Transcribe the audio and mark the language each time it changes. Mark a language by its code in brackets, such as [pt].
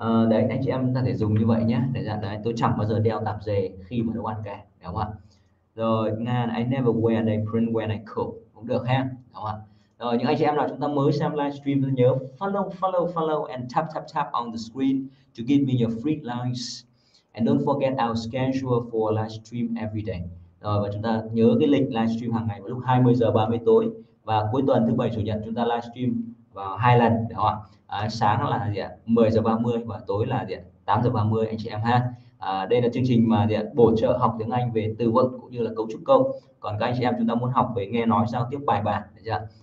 [vi] Đấy, anh chị em ta thể dùng như vậy nhé. Đấy, tôi chẳng bao giờ đeo tạp dề khi mà nấu ăn cả, đúng không ạ? Rồi, [en] Nga, I never wear an apron when I cook. [vi] Cũng được ha, đúng không ạ? Rồi, những anh chị em nào chúng ta mới xem livestream, nhớ [en] follow and tap on the screen to give me your free lines. And don't forget our schedule for live stream every day. [vi] Rồi và chúng ta nhớ cái lịch live stream hàng ngày vào lúc 20:30 tối và cuối tuần thứ bảy chủ nhật chúng ta live stream vào hai lần, đúng không ạ? Sáng là gì ạ? 10:30 và tối là gì ạ? 8:30 anh chị em ha. Đây là chương trình mà gì ạ? Bổ trợ học tiếng Anh về từ vựng cũng như là cấu trúc câu. Còn các anh chị em chúng ta muốn học về nghe nói giao tiếp bài bản, được chưa?